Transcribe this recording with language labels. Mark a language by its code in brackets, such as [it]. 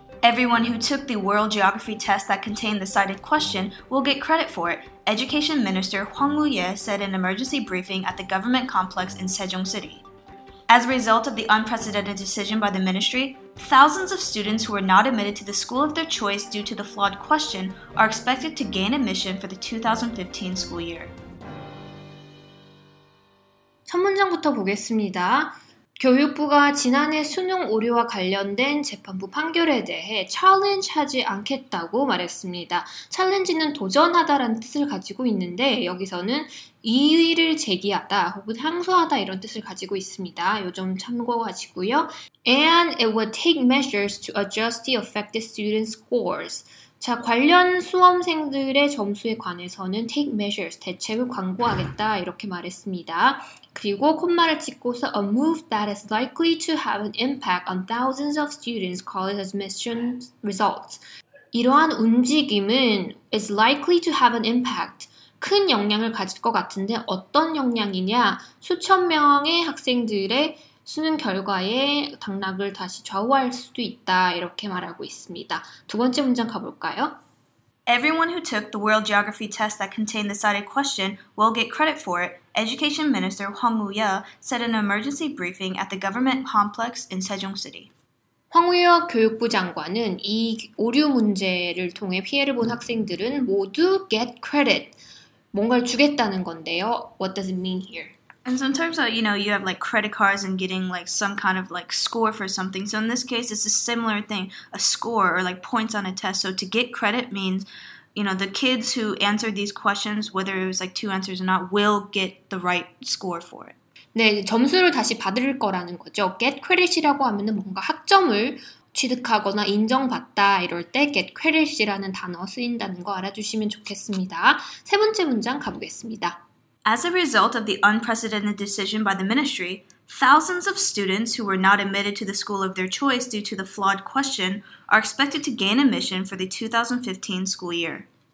[en] Everyone who took the world geography test that contained the cited question will get credit for it, Education Minister Hwang Woo-ye said in an emergency briefing at the government complex in Sejong City. As a result of the unprecedented decision by the ministry, thousands of students who were not admitted to the school of their choice due to the flawed question are expected to gain admission for the 2015 school year. [ko] 첫 문장부터 보겠습니다. 교육부가 지난해 수능 오류와 관련된 재판부 판결에 대해 challenge하지 않겠다고 말했습니다. challenge는 도전하다라는 뜻을 가지고 있는데 여기서는 이의를 제기하다 혹은 항소하다 이런 뜻을 가지고 있습니다. 요 점 참고하시고요. [en] And it would take measures to adjust the affected student scores. [ko] 자, 관련 수험생들의 점수에 관해서는 [en] take measures, [ko] 대책을 강구하겠다 이렇게 말했습니다. 그리고 콤마를 찍고서 [en] a move that is likely to have an impact on thousands of students' college admission results. [ko] 이러한 움직임은 [en] is likely to have an impact. [ko] 큰 영향을 가질 것 같은데 어떤 영향이냐? 수천 명의 학생들의 수능 결과에 당락을 다시 좌우할 수도 있다 이렇게 말하고 있습니다. 두 번째 문장 가볼까요? [en] Everyone who took the world geography test that contained the cited question will get credit for it, Education Minister Hwang Woo-ye said in an emergency briefing at the government complex in Sejong City. [ko] 황 우여 교육부 장관은 이 오류 문제를 통해 피해를 본 학생들은 모두 get credit, 뭔가를 주겠다는 건데요. [en] What does it mean here? And sometimes, you know, you have, like, credit cards and getting, like, some kind of, like, score for something. So in this case, it's a similar thing, a score or, like, points on a test. So to get credit means, you know, the kids who answered these questions, whether it was, like, two answers or not, will get the right score for it. [ko] 네, 점수를 다시 받을 거라는 거죠. Get credit이라고 하면은 뭔가 학점을 취득하거나 인정받다 이럴 때 get credit이라는 단어 쓰인다는 거 알아주시면 좋겠습니다. 세 번째 문장 가보겠습니다. [en] As a result of the unprecedented decision by the ministry, thousands of students who were not admitted to the school of their choice due to the flawed question are expected to gain admission for the 2015 school year.